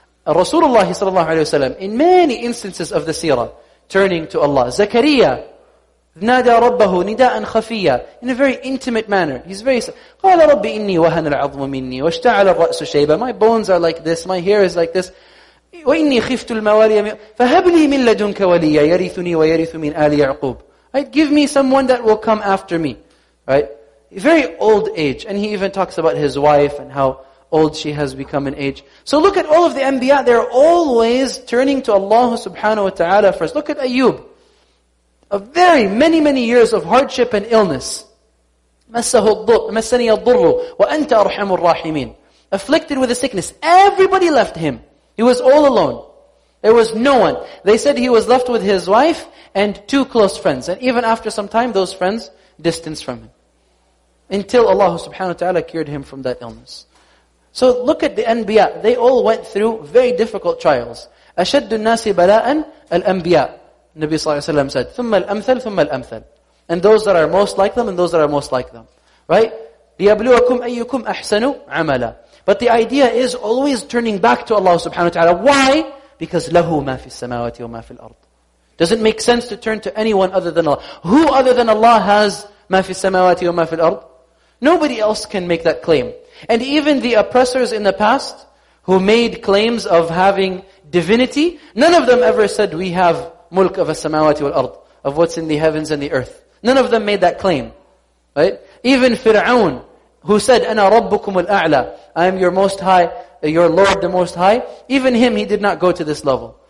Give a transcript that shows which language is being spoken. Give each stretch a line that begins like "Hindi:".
English: Rasulullah sallallahu alayhi wa sallam, in many instances of the seerah, turning to Allah. Zakariya
Arabic: نادى ربه نداء خفيا,
English: in a very intimate manner. He's very,
Arabic: قال ربي إني وهن العظم مني واشتعل الرأس شيبا.
English: My bones are like this, my hair is like this.
Arabic: وإني خفت الموالي فهب لي من لدنك وليا يرثني ويرث من آل يعقوب.
English: Right? Give me someone that will come after me. Right? Very old age. And he even talks about his wife and how old she has become in age. So look at all of the Anbiya, they're always turning to Allah subhanahu wa ta'ala first. Look at Ayyub. A very many, many years of hardship and illness.
Arabic: مَسَّهُ الضُّرُّ مَسَّنِيَ الضُّرُّ وَأَنْتَ أَرْحَمُ الرَّاحِمِينَ.
English: Afflicted with a sickness. Everybody left him. He was all alone. There was no one. They said he was left with his wife and two close friends. And even after some time, those friends distanced from him. Until Allah subhanahu wa ta'ala cured him from that illness. So look at the Anbiya. They all went through very difficult trials.
Arabic: أَشَدُّ النَّاسِ بَلَاءً الْأَنْبِيَاء.
English: Nabi sallallahu alayhi wa sallam said,
Arabic: ثُمَّ الْأَمْثَلْ ثُمَّ الْأَمْثَلْ.
English: And those that are most like them and those that are most like them. Right?
Arabic: لِيَبْلُوَكُمْ أَيُّكُمْ أَحْسَنُ عَمَلًا.
English: But the idea is always turning back to Allah subhanahu wa ta'ala. Why? Because
Arabic: لَهُ مَا فِي السَّمَاوَاتِ وَمَا فِي الْأَرْضِ.
English: Doesn't make sense to turn to anyone other than Allah. Who other than Allah has
Arabic: مَا فِي السَّمَاوَاتِ وَمَا فِي الْأَرْضِ?
English: Nobody else can make that claim. And even the oppressors in the past who made claims of having divinity, none of them ever said, we have mulk of a samawati wal ard, of what's in the heavens and the earth. None of them made that claim. Right? Even Fir'aun, who said,
Arabic: أَنَا رَبُّكُمُ الْأَعْلَى,
English: I am your most high, your Lord the most high, even him, he did not go to this level.